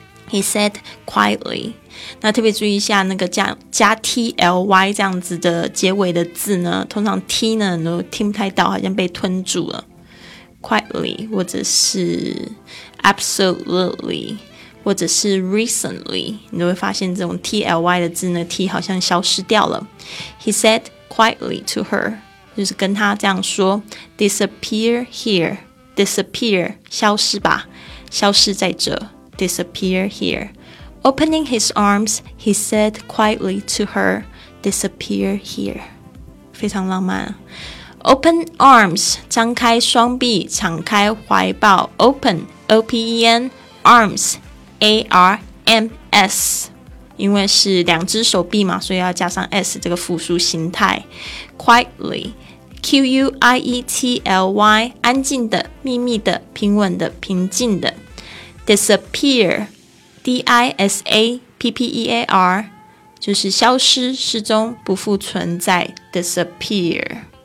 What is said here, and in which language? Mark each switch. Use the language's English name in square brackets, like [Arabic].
[English] He said quietly， [Chinese] 那特别注意一下那个 加 ty 这样子的结尾的字呢，通常 t 呢都听不太到，好像被吞住了。 quietly 或者是 absolutely 或者是 recently， 你都会发现这种 ty 的字呢 t 好像消失掉了。 [English] He saidquietly to her， [Chinese] 就是跟他这样说， [English] disappear here， disappear [Chinese] 消失吧，消失在这， [English] disappear here。 Opening his arms， he said quietly to her， disappear here， [Chinese] 非常浪漫。 [English] Open arms， [Chinese] 张开双臂，敞开怀抱。 Open O-P-E-N arms A-R-M-S，因为是两只手臂嘛，所以要加上 S 这个复数形态。 Quietly Q-U-I-E-T-L-Y 安静的秘密的平稳的平静的 Disappear D-I-S-A-P-P-E-A-R 就是消失失踪不复存在 Disappear